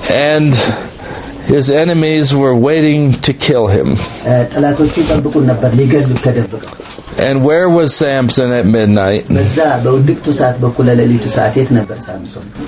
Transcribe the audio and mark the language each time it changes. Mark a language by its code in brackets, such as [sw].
[en] and his enemies were waiting to kill him [am] ጠላቶቹ ይጠብቁ ነበር ሊገሉት ተደብቀው [en] and where was Samson at midnight [am] በዛ በውድቅቱ ሰዓት በእኩለ ሌሊቱ ሰዓት የት ነበር ሳምሶን